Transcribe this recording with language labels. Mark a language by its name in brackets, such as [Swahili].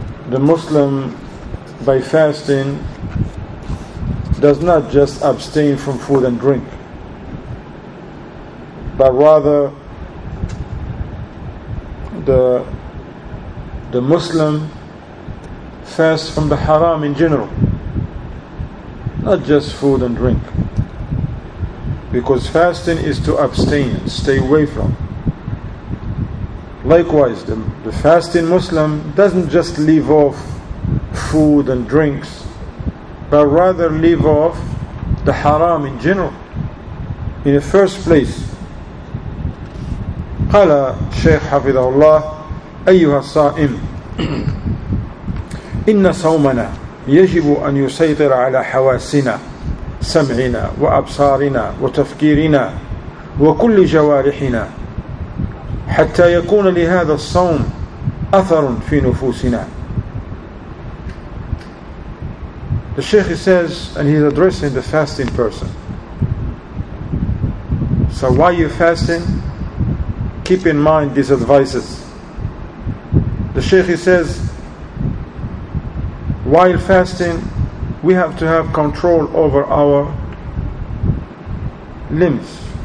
[English] the Muslim by fasting does not just abstain from food and drink, but rather the Muslim fasts from the haram in general, not just food and drink, because fasting is to abstain, stay away from. Likewise, the fasting Muslim doesn't just leave off food and drinks, but rather leave off the haram in general in the first place. [Arabic] قال الشيخ حفظه الله أيها الصائم إن صومنا يجب أن يسيطر على حواسنا سمعنا وأبصارنا وتفكيرنا وكل جوارحنا حتى يكون لهذا الصوم أثر في نفوسنا. [English] The Sheikh says, and he's addressing the fasting person. So why are you fasting? Keep in mind these advices. The Sheikh, he says, while fasting, we have to have control over our limbs.